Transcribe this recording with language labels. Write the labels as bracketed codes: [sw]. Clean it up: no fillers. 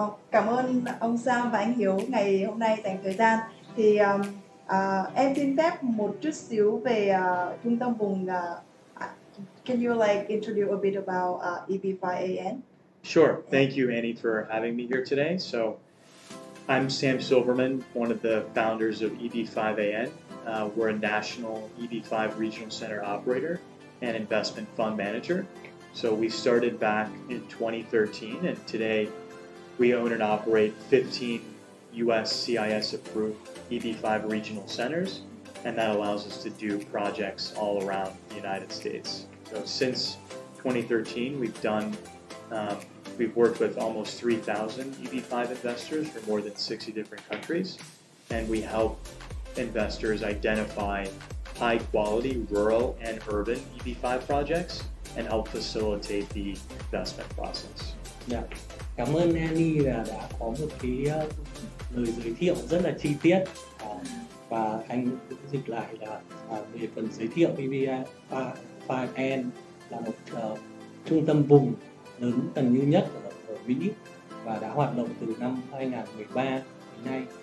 [vi] Cảm ơn ông Sam và anh Hiếu ngày hôm nay dành thời gian. Thì em xin phép một chút xíu về trung tâm vùng. [en] Can you like introduce a bit about EVFI-AN? Sure. Thank you, Annie, for having me here today. So I'm Sam Silverman, one of the founders of EVFI-AN. We're a national EVFI regional center operator and investment fund manager. So we started back in 2013, and today we own and operate 15 US CIS approved EB5 regional centers, and that allows us to do projects all around the United States. So since 2013, we've worked with almost 3,000 EB5 investors from more than 60 different countries, and we help investors identify high quality rural and urban EB5 projects and help facilitate the investment process. Yeah. [vi] Cảm ơn Annie là đã có một cái lời giới thiệu rất là chi tiết, và anh cũng dịch lại là về phần giới thiệu EVFI-AN là một trung tâm vùng lớn tầng như nhất ở Mỹ và đã hoạt động từ năm 2013 đến nay